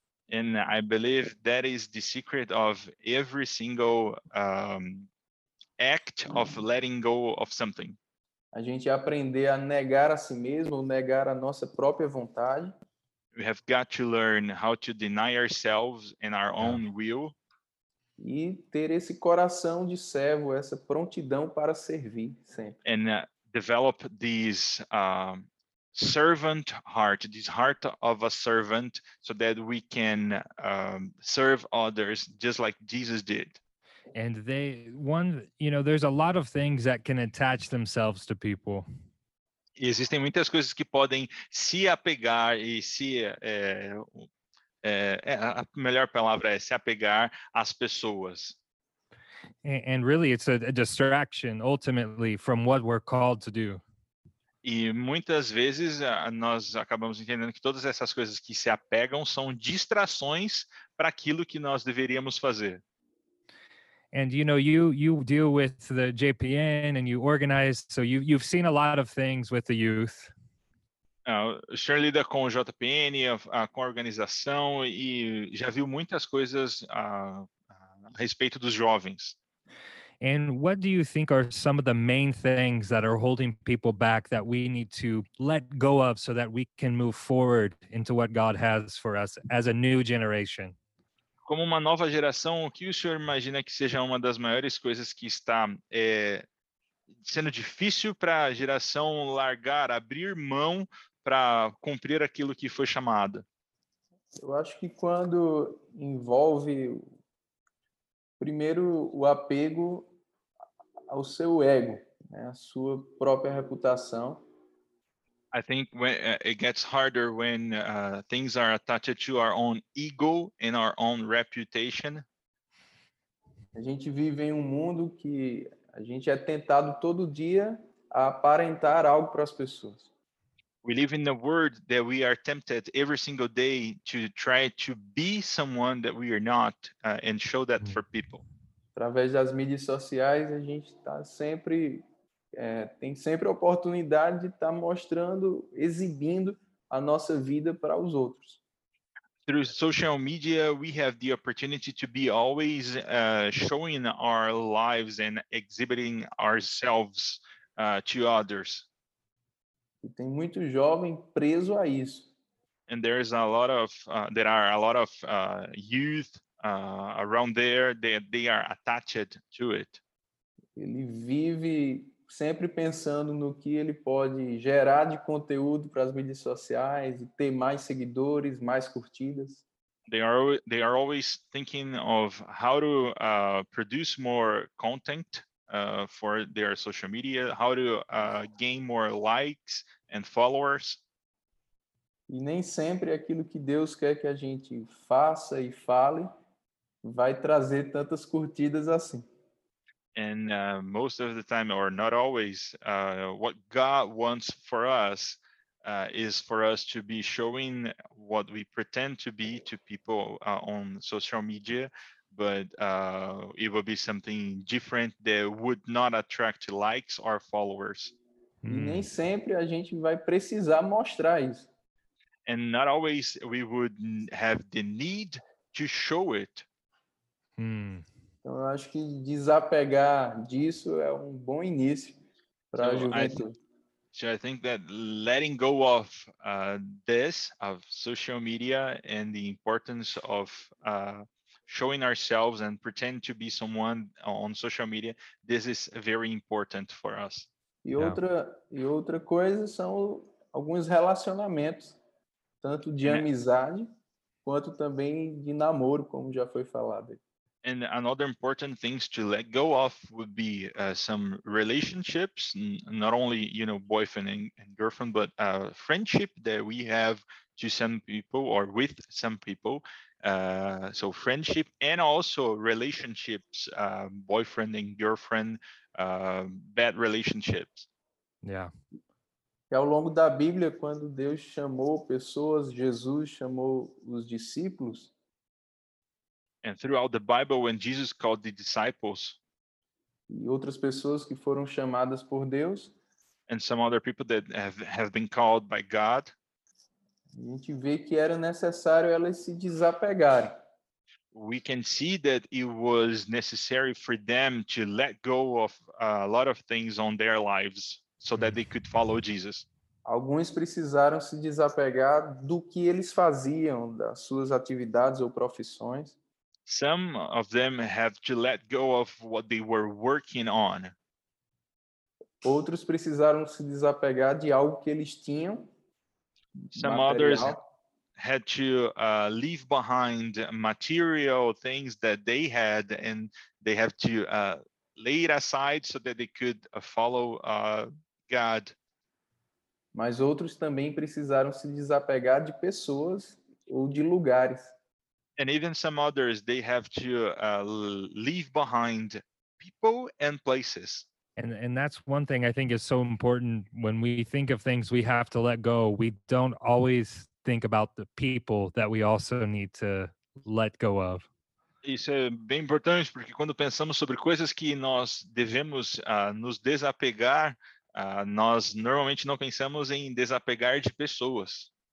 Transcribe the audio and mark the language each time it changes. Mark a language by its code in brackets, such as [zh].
[en] And I believe that is the secret of every single act of letting go of something. [pt] A gente aprender a negar a si mesmo, negar a nossa própria vontade. [en] We have got to learn how to deny ourselves and our own will. [pt] E ter esse coração de servo, essa prontidão para servir sempre. [en] And develop this servant heart, this heart of a servant, so that we can serve others just like Jesus did. And they, one, you know, there's a lot of things that can attach themselves to people. [pt] Existem muitas coisas que podem se apegar e se, a melhor palavra é se apegar às pessoas. [en] And really, it's a distraction, ultimately, from what we're called to do. [pt] E muitas vezes nós acabamos entendendo que todas essas coisas que se apegam são distrações para aquilo que nós deveríamos fazer. [en] And you know, you deal with the JPN and you organize, so you've seen a lot of things with the youth. [pt] O senhor lida com o JPN, com a organização, e já viu muitas coisas a respeito dos jovens. [en] And what do you think are some of the main things that are holding people back that we need to let go of so that we can move forward into what God has for us as a new generation? [pt] Como uma nova geração, o que o senhor imagina que seja uma das maiores coisas que está sendo difícil para a geração largar, abrir mão para cumprir aquilo que foi chamado? Eu acho que quando envolve, primeiro, o apego ao seu ego, né? A sua própria reputação. [en] I think when, it gets harder when things are attached to our own ego and our own reputation. [pt] A gente vive em um mundo que a gente é tentado todo dia a aparentar algo para as pessoas. [en] We live in a world that we are tempted every single day to try to be someone that we are not and show that for people. [pt] Através das mídias sociais, a gente está sempre, tem sempre a oportunidade de estar mostrando, exibindo a nossa vida para os outros. [en] Through social media, we have the opportunity to be always showing our lives and exhibiting ourselves to others. [pt] E tem muito jovem preso a isso. [en] And there is a lot of there are a lot of youth around there that they are attached to it. [pt] Ele vive sempre pensando no que ele pode gerar de conteúdo para as mídias sociais e ter mais seguidores, mais curtidas. [en] They are always thinking of how to produce more content for their social media, how to gain more likes and followers. [pt] E nem sempre aquilo que Deus quer que a gente faça e fale vai trazer tantas curtidas assim. [en] And most of the time, or not always, what God wants for us is for us to be showing what we pretend to be to people on social media, but it will be something different that would not attract likes or followers. [pt] Nem sempre a gente vai precisar mostrar isso. [en] And not always we would have the need to show it. [pt] Então, eu acho que desapegar disso é um bom início para a juventude. [en] So I think that letting go of this, of social media, and the importance of showing ourselves and pretend to be someone on social media, this is very important for us. [pt] E outra, yeah. E outra coisa são alguns relacionamentos, tanto de amizade, quanto também de namoro, como já foi falado. [en] And another important thing to let go of would be some relationships, not only, you know, boyfriend and girlfriend, but a friendship that we have to some people or with some people. So friendship and also relationships, boyfriend and girlfriend, bad relationships. Yeah. [pt] E ao longo da Bíblia, quando Deus chamou pessoas, Jesus chamou os discípulos. [en] And throughout the Bible, when Jesus called the disciples, [pt] e outras pessoas que foram chamadas por Deus, [en] and some other people that have been called by God, [pt] a gente vê que era necessário elas se desapegarem. [en] We can see that it was necessary for them to let go of a lot of things on their lives so that they could follow Jesus. [pt] Alguns precisaram se desapegar do que eles faziam, das suas atividades ou profissões. [en] Some of them have to let go of what they were working on. [pt] Outros precisaram se desapegar de algo que eles tinham. [en] Some material. Others had to leave behind material things that they had, and they have to lay it aside so that they could follow God. [pt] Mas outros também precisaram se desapegar de pessoas ou de lugares. [en] And even some others, they have to leave behind people and places. And that's one thing I think is so important. When we think of things we have to let go, we don't always think about the people that we also need to let go of. [pt] Isso é bem importante, porque quando pensamos sobre coisas que nós devemos nos desapegar, nós normalmente não pensamos em desapegar de pessoas.